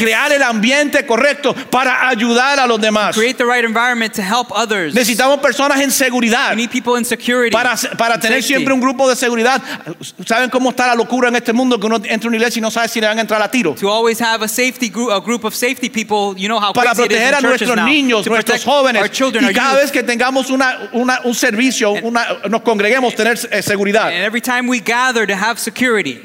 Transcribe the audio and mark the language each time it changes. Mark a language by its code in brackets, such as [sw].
[es] Crear el ambiente correcto para ayudar a los demás. [en] Create the right environment to help others. [es] Necesitamos personas en seguridad. [en] We need people in security. [es] Para tener [en] safety. [es] Siempre un grupo de seguridad. ¿Saben cómo está la locura en este mundo que uno entra a una iglesia y no sabe si le van a entrar a tiro? [en] To always have a safety group, a group of safety people, you know how crazy it is in churches now. [es] Para proteger a nuestros niños, nuestros jóvenes. [en] Our children, [es] y cada vez que tengamos un servicio, nos congreguemos, tener seguridad. [en] And every time we gather to have security.